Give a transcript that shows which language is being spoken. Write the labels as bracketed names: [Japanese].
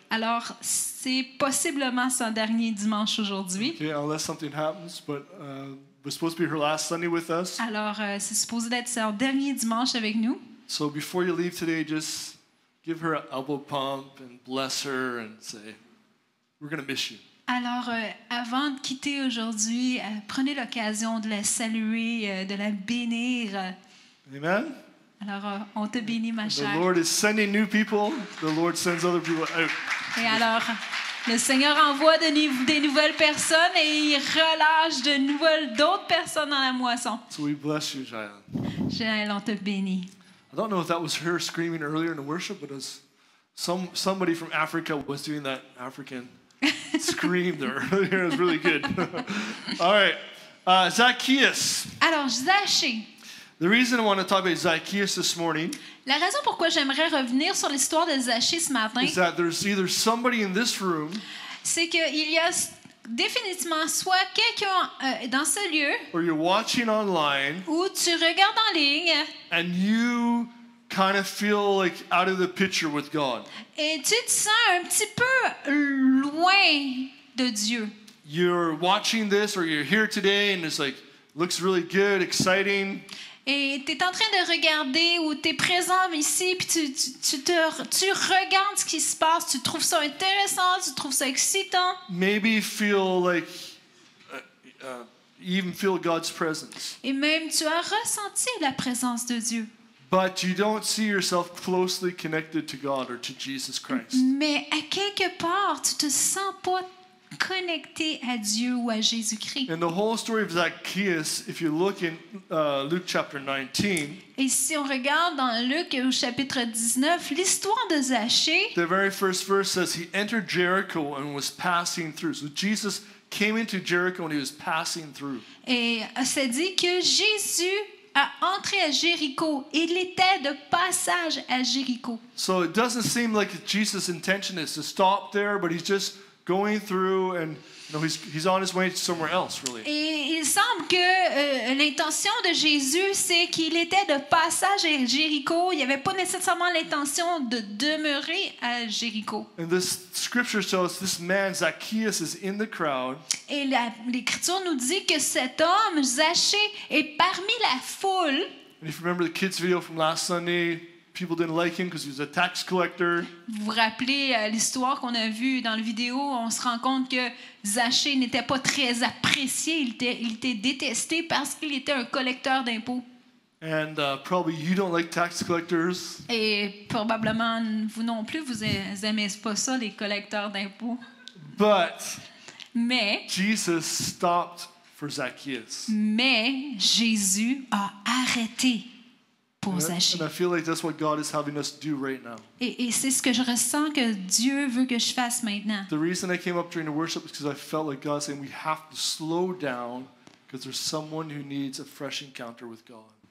[French] Alors, c'est possiblement son dernier dimanche aujourd'hui. [English] Okay, unless something happens, but it was supposed to be her last Sunday with us. [French] Alors, c'est supposé être son dernier dimanche avec nous. [English] So before you leave today, just give her an elbow pump and bless her and say, we're going to miss you. [French] Alors, avant de quitter aujourd'hui, prenez l'occasion de la saluer, de la bénir. [English] Amen. [French] Alors, on te bénit, ma chère. [English] The Lord is sending new people. The Lord sends other people out. [French] Et alors, le Seigneur envoie des nouvelles personnes et il relâche d'autres personnes dans la moisson. [English] So we bless you, Jael. [French] Jael, on te bénit. [English] I don't know if that was her screaming earlier in the worship, but somebody from Africa was doing that African screamed earlier. It was really good. All right. Zacchaeus. [French] Alors, Zachée. [English] The reason I want to talk about Zacchaeus this morning. [French] La raison pourquoi j'aimerais revenir sur l'histoire de Zachée ce matin. [English] Is that there's either somebody in this room. [French] C'est qu'il y a définitivement soit quelqu'un dans ce lieu. [English] Or you're watching online. [French] Ou tu regardes en ligne. [English] And you kind of feel like out of the picture with God. [French] Et tu te sens un petit peu loin de Dieu. [English] You're watching this or you're here today and it's like looks really good, exciting. [French] Et tu es en train de regarder ou tu es présent ici puis tu regardes ce qui se passe, tu trouves ça intéressant, tu trouves ça excitant. [English] Maybe feel like even feel God's presence. [French] Et même tu as ressenti la présence de Dieu. [English] But you don't see yourself closely connected to God or to Jesus Christ. [French] Mais à quelque part, tu te sens pas connecté à Dieu ou à Jésus-Christ. [English] And the whole story of Zacchaeus, if you look in Luke chapter 19. [French] Et si on regarde dans Luc au chapitre 19, l'histoire de Zachée. [English] The very first verse says he entered Jericho and was passing through. So Jesus came into Jericho and he was passing through. [French] Et ça dit que Jésus a entré à Jéricho. Il était de passage à Jéricho. [English] So it doesn't seem like Jesus' intention is to stop there, but he's just going through, and you know, he's on his way somewhere else, really. [French] Et il semble que l'intention de Jésus, c'est qu'il était de passage à Jéricho. Il n'avait pas nécessairement l'intention de demeurer à Jéricho. [English] And this scripture tells us this man Zacchaeus is in the crowd. [French] Et l'Écriture nous dit que cet homme Zachée est parmi la foule. [English] And if you remember the kids' video from last Sunday, people didn't like him because he was a tax collector. [French] Vous vous rappelez l'histoire qu'on a vue dans la vidéo? On se rend compte que Zachée n'était pas très apprécié. Il était détesté parce qu'il était un collecteur d'impôts. [English] And probably you don't like tax collectors. [French] Et probablement vous non plus, vous aimez pas ça, les collecteurs d'impôts. [English] But. [French] Mais. [English] Jesus stopped for Zacchaeus. [French] Mais Jésus a arrêté. [English] And I feel like that's what God is having us do right now. [French] Et c'est ce que je ressens que Dieu veut que je fasse maintenant. [English] The reason I came up during the worship is because I felt like God saying we have to slow down because there's someone who needs a fresh encounter with God.